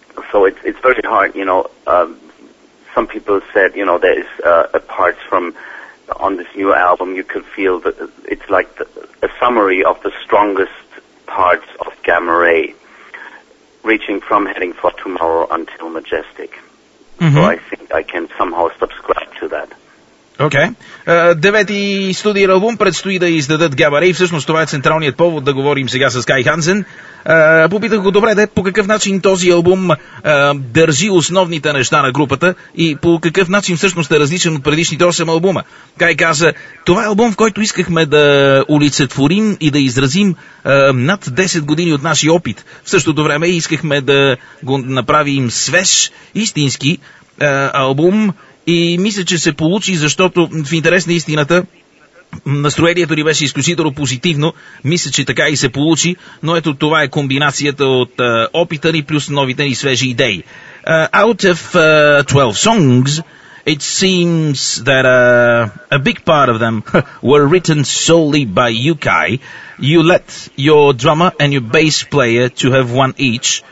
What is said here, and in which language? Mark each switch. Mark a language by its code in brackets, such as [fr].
[en] So it's very hard, you know. Some people said, you know, there is parts from on this new album you could feel that it's like a summary of the strongest parts of Gamma Ray, reaching from Heading for Tomorrow until Majestic. Mm-hmm. So I think I can somehow subscribe to that. Okay. [bg] Девети студиен албум предстои да издадат Габарей. Всъщност това е централният повод да говорим сега с Кай Хансен. Попитах го, добре, де, по какъв начин този албум държи основните неща на групата и по какъв начин всъщност е различен от предишните 8 албума. Кай каза, това е албум, в който искахме да олицетворим и да изразим над 10 години от нашия опит. В същото време искахме да го направим свеж, истински албум и мисля, че се получи, защото в интерес на истината, настроението ни беше изключително позитивно. Мисля, че така и се получи. Но ето това е комбинацията от опита ни плюс новите ни свежи идеи. [en] Out of 12 songs, it seems that a big part of them were written solely by you, Kai. You let your drummer and your bass player to have one each.